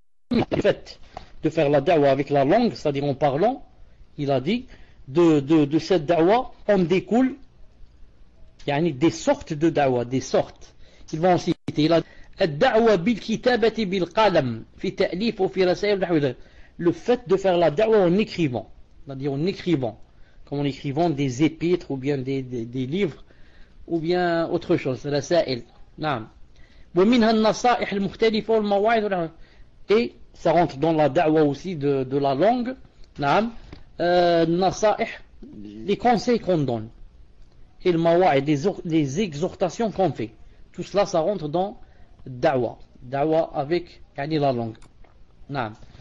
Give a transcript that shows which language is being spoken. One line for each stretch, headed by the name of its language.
French: Le fait de faire la da'wa avec la langue, c'est-à-dire en parlant, il a dit, de cette da'wa, on découle yani, des sortes de da'wa, des sortes. Ils vont en citer. Il a dit,
Arabic: الدعوة بالكتابة بالقلم في تأليف وفي رسائل نحو ذلك.
French: Le fait de faire la da'wa en écrivant, c'est-à-dire en écrivant, comme en écrivant des épîtres ou bien des livres ou bien autre chose, رسائل.
Arabic: نعم. ومنها النصائح المختلفة والمواعظ.
French: Et ça rentre dans la da'wa aussi de la langue.
Arabic: نعم.
French: النصائح, les conseils qu'on donne. Et le mawa'id, les exhortations qu'on fait. Tout cela, ça rentre dans Dawa avec yani, la langue. Naam.